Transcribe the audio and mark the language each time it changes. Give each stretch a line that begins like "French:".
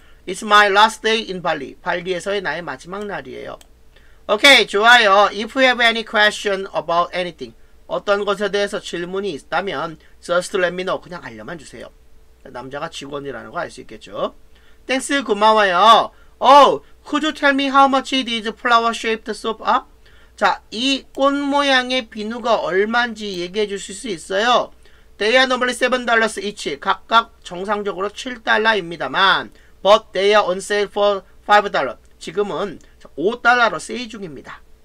English: It's my last day in Bali.
Korean: 발리에서의 나의 마지막 날이에요.
English: Okay,
Korean: 좋아요.
English: If you have any question about anything,
Korean: 어떤 것에 대해서 질문이 있다면
English: just let me know.
Korean: 그냥 알려만 주세요. 남자가 직원이라는 거 알 수 있겠죠.
English: Thanks,
Korean: 고마워요.
English: Oh, could you tell me how much these flower-shaped soap are?
Korean: 자, 이 꽃 모양의 비누가 얼마인지 얘기해 주실 수 있어요.
English: They are normally $7 each.
Korean: 각각 정상적으로 $7입니다만
English: But they are on sale for $5.
Korean: 지금은 $5로 세일 중입니다.